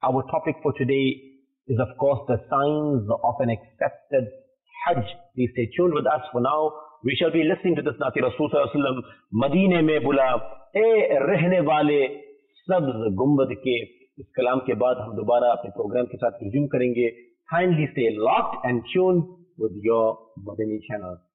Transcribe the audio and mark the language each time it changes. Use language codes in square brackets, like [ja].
[en] Our topic for today is of course the signs of an accepted Hajj. Please stay tuned with us for now. We shall be listening to this Nati Rasul sallallahu alayhi wa sallam. [ur] Madinah mein bula, اے رہنے والے سبز گمبد کے اس کلام کے بعد ہم دوبارہ اپنے پروگرام کے ساتھ resume کریں گے. [en] Kindly stay locked and tuned with your Madini channel.